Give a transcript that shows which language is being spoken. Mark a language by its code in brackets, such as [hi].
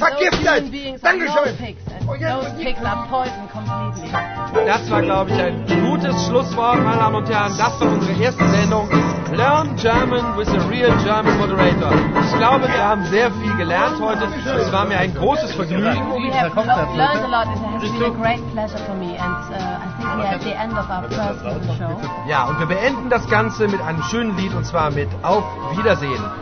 [de] vergiftet. Dankeschön. Das war, glaube ich, ein gutes Schlusswort, meine Damen und Herren. Das war unsere erste Sendung. [en] Learn German with a real German moderator. [de] Ich glaube, wir haben sehr viel gelernt heute. Es war mir ein großes Vergnügen. [en] We have learned a lot. It has been a great pleasure for me. And I think we are at the end of our first show. [de] Ja, und wir beenden das Ganze mit einem schönen Lied, und zwar mit Auf Wiedersehen.